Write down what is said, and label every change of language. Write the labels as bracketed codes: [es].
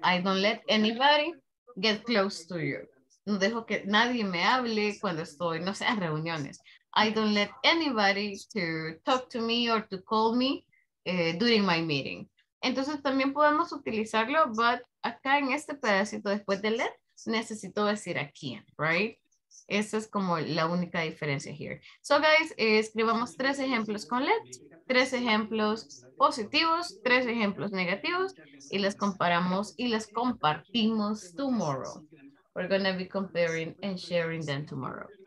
[en] I don't let anybody get close to you. [es] No dejo que nadie me hable cuando estoy, no sé, en reuniones. [en] I don't let anybody to talk to me or to call me during my meeting. [es] Entonces también podemos utilizarlo, but acá en este pedacito después de let, necesito decir a quién, right? Esa es como la única diferencia here. So guys, escribamos tres ejemplos con let, tres ejemplos positivos, tres ejemplos negativos, y las comparamos y las compartimos tomorrow. [en] We're going to be comparing and sharing them tomorrow.